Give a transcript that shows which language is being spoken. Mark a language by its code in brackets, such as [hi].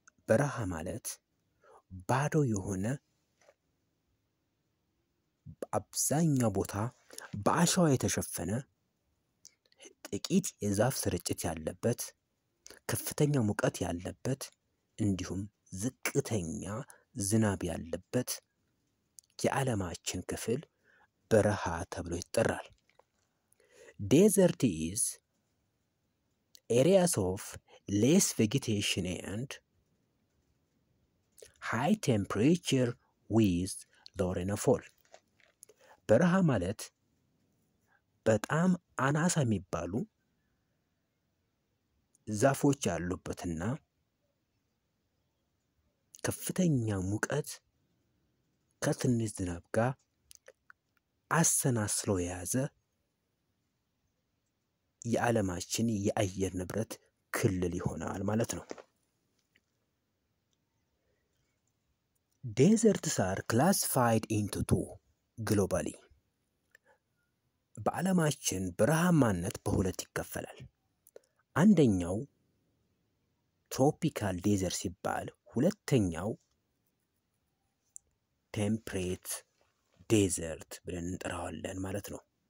[am] በረሀ ማለት ባዶ የሆነ አብዛኛው ቦታ በአሸዋ የተሸፈነ ጥቂት የዛፍ ስርጭት ያለበት ከፍተኛ ሙቀት ያለበት እንዲሁም ዝቅተኛ ዝናብ ያለበት የዓለማችን ክፍል በረሀ ተብሎ ይጠራል. [en] Desert is areas of less vegetation and high temperature with low rainfall. [am] በረሃ ማለት በጣም አናሳ የሚባሉ ዛፎች ያሉበትና ከፍተኛ ሙቀት ከትንሽ ዝናብ ጋር አሰናስሎ የያዘ የዓለማችን የአየር ንብረት ክልል ይሆናል ማለት ነው. [en] Deserts are classified into two globally. [am] በዓለማችን በረሃማነት በሁለት ይከፈላል. አንደኛው tropical desert ሲባል ሁለተኛው temperate desert ብለን እንጠራዋለን ማለት ነው.